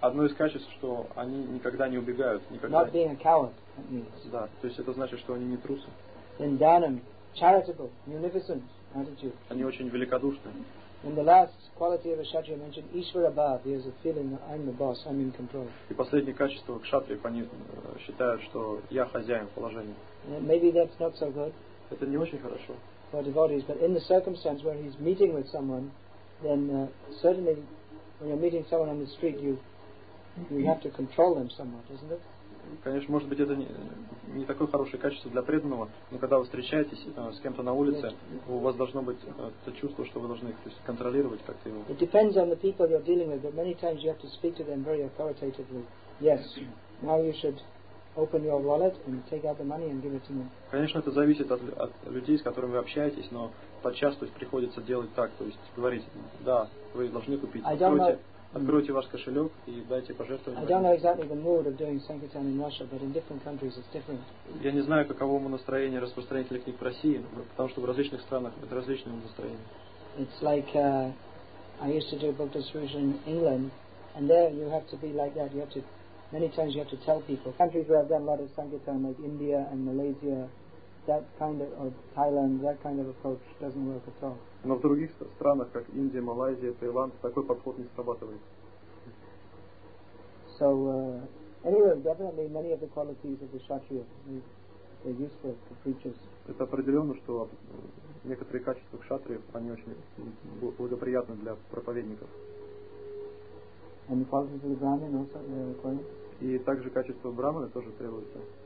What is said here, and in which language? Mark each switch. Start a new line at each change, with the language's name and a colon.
Russian: Одно из качеств, что они никогда не убегают, никогда.
English: Not being a coward, that means.
Russian: Да, то есть это значит, что они не трусы.
English: Then dhanam, charitable, munificent attitude.
Russian: Они очень великодушны.
English: In the last quality of a kshatriya mentioned, Ishvara Bhav, he has a feeling that I'm the boss, I'm in control.
Russian: И последнее качество кшатриев, они считают, что я хозяин положения.
English: Maybe that's not so good.
Russian: Это не очень хорошо.
English: For devotees, but in the circumstance where he's meeting with someone, then certainly when you're meeting someone on the street, you have to control them somewhat, isn't it?
Russian: Конечно, может быть, это не такое хорошее качество для преданного, но когда вы встречаетесь с кем-то на улице, у вас должно быть то чувство, что вы должны их, то есть, контролировать как-то его.
English: It depends on the people you're dealing with, but many times you have to speak to them very authoritatively. Yes, now you should open your wallet and take out the money and give it to me.
Russian: Конечно, это зависит от людей, с которыми вы общаетесь, но подчас, то есть, приходится делать так, то есть говорить: да, вы должны купить. Откройте ваш кошелек и дайте пожертвование.
English: I don't know exactly the mood of doing sankirtan in Russia, but in different countries it's different.
Russian: Я не знаю, каково настроение распространителей книг в России, потому что в различных странах это различное настроение.
English: It's like I used to do book distribution in England, and there you have to be like that. You have to Many times you have to tell people. Countries where I've done a lot of sankirtan, like India and Malaysia, or Thailand, that kind of approach doesn't work at all.
Russian: Но в других странах, как Индия, Малайзия, Таиланд, такой подход не срабатывает.
English: So anyway, definitely many of the qualities of the kshatriya are useful for preachers.
Russian: Это определенно, что некоторые качества кшатриев они очень благоприятны для проповедников.
English: And the qualities of the brahmin also require.
Russian: И также качество брахмана тоже требуется.